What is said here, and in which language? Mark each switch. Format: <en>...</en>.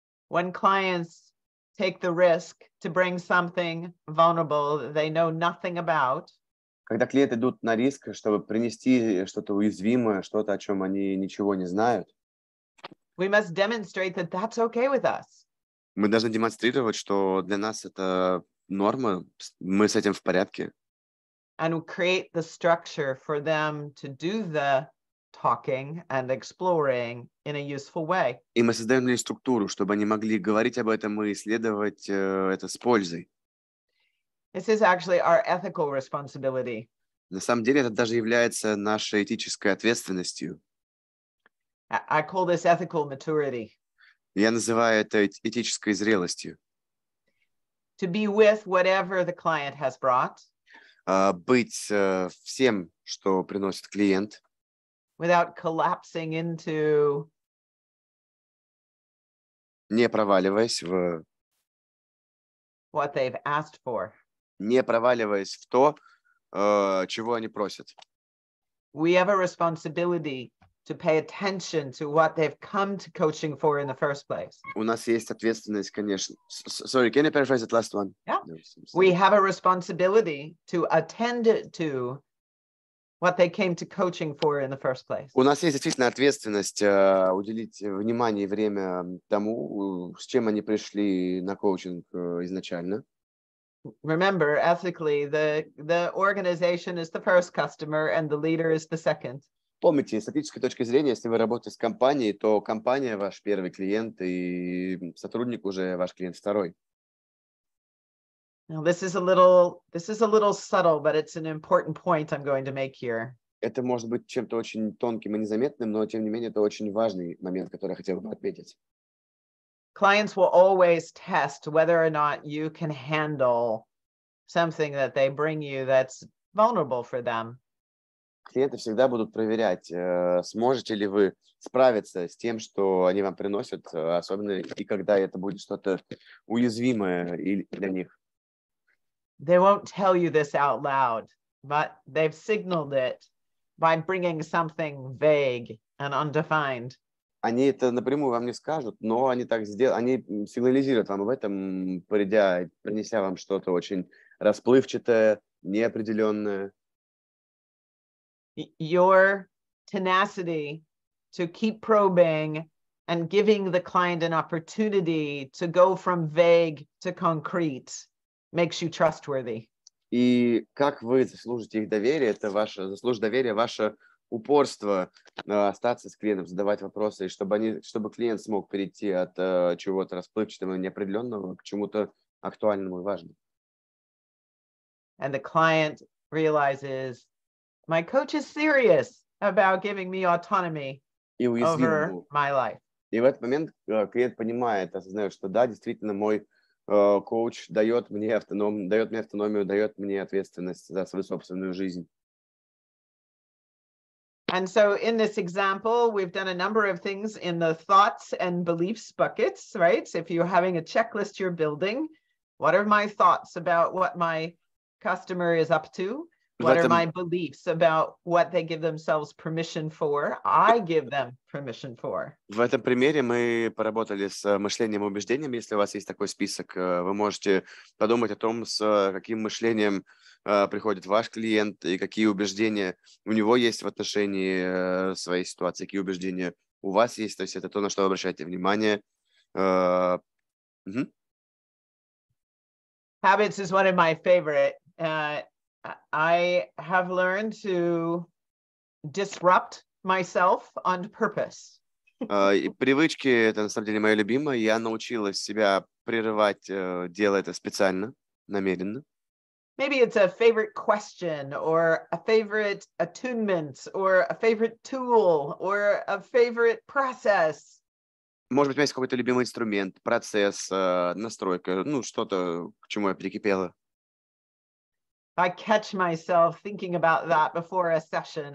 <en>When clients take the risk to bring something vulnerable that they know nothing about.</en> <ru>Когда клиенты идут на риск, чтобы принести что-то уязвимое, что-то, о чем они ничего не знают.</ru> <en>We must demonstrate that that's okay with us.</en> <ru>Мы должны демонстрировать, что для нас это норма, мы с этим в порядке.</ru> <en>And create the structure for them to do the talking and exploring in a useful way.</en> <ru>И мы создаем для них структуру, чтобы они могли говорить об этом и исследовать это с пользой.</ru> <en>This is actually our ethical responsibility.</en> <ru>На самом деле, это даже является нашей этической ответственностью.</ru> <en>I call this ethical maturity.</en> <ru>Я называю это этической зрелостью.</ru> <en>To be with whatever the client has brought.</en> <ru>Быть всем, что приносит клиент.</ru> <en>Without collapsing into...</en> <ru>Не проваливаясь в...</ru> <en>What they've asked for.</en> <ru>Не проваливаясь в то, чего они просят.</ru> <en>We have a responsibility to pay attention to what they've come to coaching for in the first place.</en> <ru>У нас есть ответственность, конечно.</ru> <en>Sorry, can you paraphrase that last one? Yeah. We have a responsibility to attend to what they came to coaching for in the first place.</en> <ru>У нас есть действительно ответственность уделить внимание и время тому, с чем они пришли на коучинг изначально.</ru> <en>Remember, ethically, the organization is the first customer and the leader is the second.</en> <ru>Помните, с этической точки зрения, если вы работаете с компанией, то компания ваш первый клиент, и сотрудник уже ваш клиент второй.</ru> <en>Now, this is a little subtle, but it's an important point I'm going to make here.</en> <ru>это может быть чем-то очень тонким и незаметным, но тем не менее это очень важный момент, который я хотел бы отметить.</ru> <en>Clients will always test whether or not you can handle something that they bring you that's vulnerable for them.</en> <ru>Клиенты всегда будут проверять, сможете ли вы справиться с тем, что они вам приносят, особенно и когда это будет что-то уязвимое для них.</ru> <en>They won't tell you this out loud, but they've signaled it by bringing something vague and undefined.</en> <ru>Они это напрямую вам не скажут, но они так сделают, они сигнализируют вам об этом, придя, принеся вам что-то очень расплывчатое, неопределенное.</ru> <en>Your tenacity to keep probing and giving the client an opportunity to go from vague to concrete makes you trustworthy.</en> <ru>И как вы заслужите их доверие, это ваше, заслужит доверие ваше упорство остаться с клиентом, задавать вопросы, чтобы клиент смог перейти от чего-то расплывчатого, неопределенного к чему-то актуальному и важному.</ru> <en>And the client realizes, my coach is serious about giving me autonomy over my life.</en> <ru>И в этот момент клиент понимает, осознает, что да, действительно, мой коуч дает мне автономию, дает мне ответственность за свою собственную жизнь.</ru> <en>And so in this example, we've done a number of things in the thoughts and beliefs buckets, right? So if you're having a checklist you're building, what are my thoughts about what my customer is up to? What are my beliefs about what they give themselves permission for? I give them permission for.</en> <ru>В этом примере мы поработали с мышлением и убеждением. Если у вас есть такой список, вы можете подумать о том, с каким мышлением приходит ваш клиент и какие убеждения у него есть в отношении своей ситуации, какие убеждения у вас есть. То есть это то, на что вы обращаете внимание.</ru> <en>Habits is one of my favorite. I have learned to disrupt myself on purpose.</en> <ru>И привычки – это, на самом деле, моя любимая. Я научилась себя прерывать, делая это специально, намеренно.</ru> <en>Maybe it's a favorite question, or a favorite attunement, or a favorite tool, or a favorite process.</en> <ru>Может быть, у меня есть какой-то любимый инструмент, процесс, настройка, ну, что-то, к чему я прикипела.</ru> <en>I catch myself thinking about that before a session.</en>